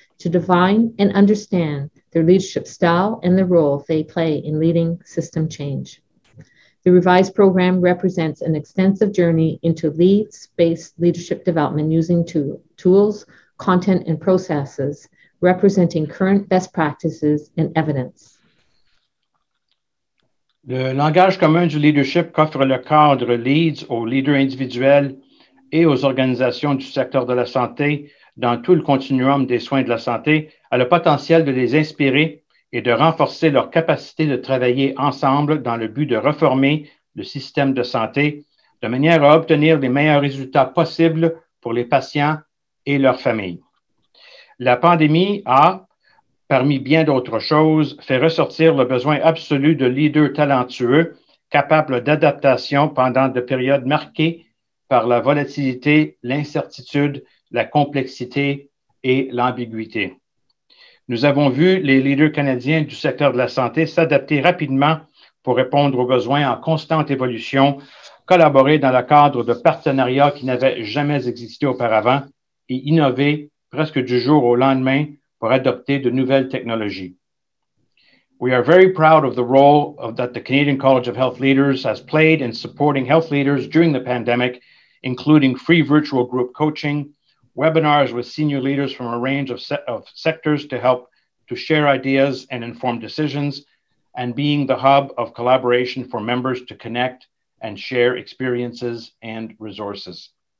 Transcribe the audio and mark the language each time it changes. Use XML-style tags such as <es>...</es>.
<en>to define and understand their leadership style and the role they play in leading system change. The revised program represents an extensive journey into leads-based leadership development using tools, content, and processes representing current best practices and evidence.</en> <fr>Le langage commun du leadership qu'offre le cadre LEADS aux leaders individuels et aux organisations du secteur de la santé dans tout le continuum des soins de la santé a le potentiel de les inspirer et de renforcer leur capacité de travailler ensemble dans le but de reformer le système de santé de manière à obtenir les meilleurs résultats possibles pour les patients et leurs familles. La pandémie a, parmi bien d'autres choses, fait ressortir le besoin absolu de leaders talentueux, capables d'adaptation pendant de périodes marquées par la volatilité, l'incertitude, la complexité et l'ambiguïté. Nous avons vu les leaders canadiens du secteur de la santé s'adapter rapidement pour répondre aux besoins en constante évolution, collaborer dans le cadre de partenariats qui n'avaient jamais existé auparavant et innover presque du jour au lendemain pour adopter de nouvelles technologies.</fr> <en>We are very proud of the role that the Canadian College of Health Leaders has played in supporting health leaders during the pandemic, including free virtual group coaching, webinars with senior leaders from a range of sectors to help to share ideas and inform decisions, and being the hub of collaboration for members to connect and share experiences and resources.</en>